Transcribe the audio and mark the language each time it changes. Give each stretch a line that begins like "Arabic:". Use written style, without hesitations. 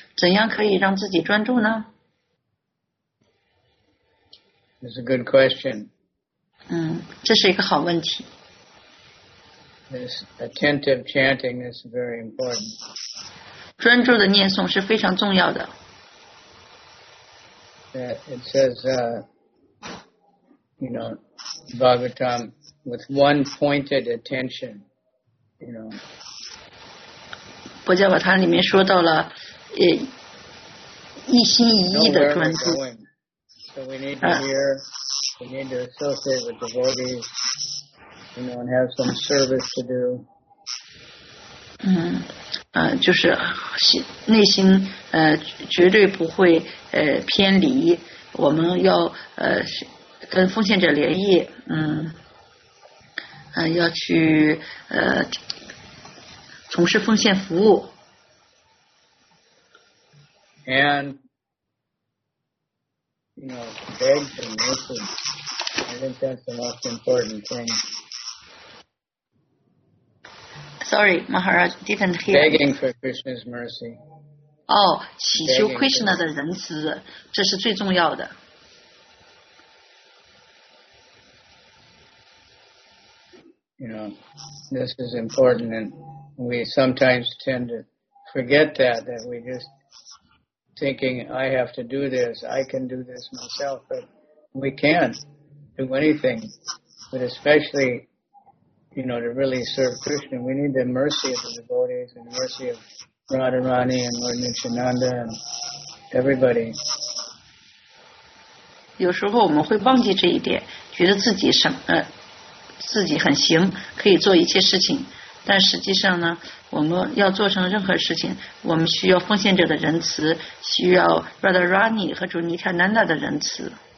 Chinese: 怎样可以让自己专注呢？
English: That's a good question.
Chinese: 嗯，这是一个好问题。
English: This attentive chanting is very important.
Chinese: 专注的念诵是非常重要的。
English: It says, you know, Bhagavatam, with one pointed attention.
Chinese: 佛教瓦坛里面说到了，一心一意的专注。
English: So we need to hear, we need to associate with devotees, you know, and have some service to do.
Chinese: 就是内心绝对不会偏离，我们要跟奉献者联谊，要去从事奉献服务。
English: And you know, beg for mercy. I think that's the most important thing. Sorry, Maharaj didn't hear. Begging for Krishna's mercy.
Chinese: 哦，祈求 Krishna 的仁慈，这是最重要的。
English: You know, this is important, and we sometimes tend to forget that we just thinking, I have to do this, I can do this myself, but we can't do anything. But especially, you know, to really serve Krishna, we need the mercy of the devotees and the mercy of Radharani and Lord Nityananda and everybody.
Chinese: 有时候我们会忘记这一点，觉得自己什么自己很行，可以做一切事情，但实际上呢，我们要做成任何事情，我们需要奉献者的仁慈，需要 Radharani 和主尼塔南达的仁慈。